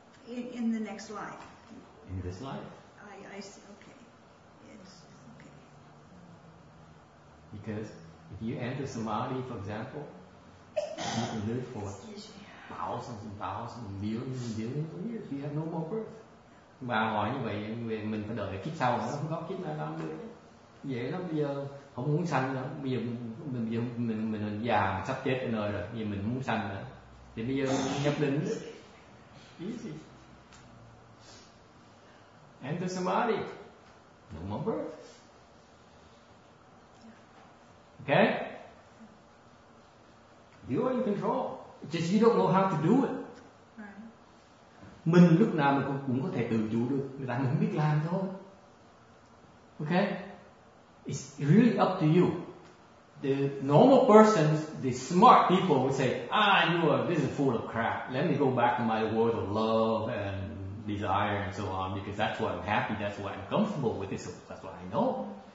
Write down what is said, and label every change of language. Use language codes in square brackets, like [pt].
[en] In the next life. In this life. I see. Okay. Yes. Okay. Because. If you enter samadhi, for example, you can live for thousands and thousands, millions and billions of years. You have no more birth. [vi] Bà hỏi như vậy, mình phải đợi kiếp sau, không có kiếp nào làm được. Dễ lắm, bây giờ không muốn sanh nữa. Bây giờ mình già, sắp chết ở nơi rồi, bây giờ mình muốn sanh nữa. Thì bây giờ nhập định. Easy. [en] Enter samadhi. No more birth. Okay? You are in control. Just you don't know how to do it. Right. [vi] Mình lúc nào mình cũng có thể tự chủ được. Người ta không biết làm thôi. [en] Okay? It's really up to you. The normal persons, the smart people would say, this is full of crap. Let me go back to my world of love and desire and so on, because that's why I'm happy, that's why I'm comfortable with this, that's what I know.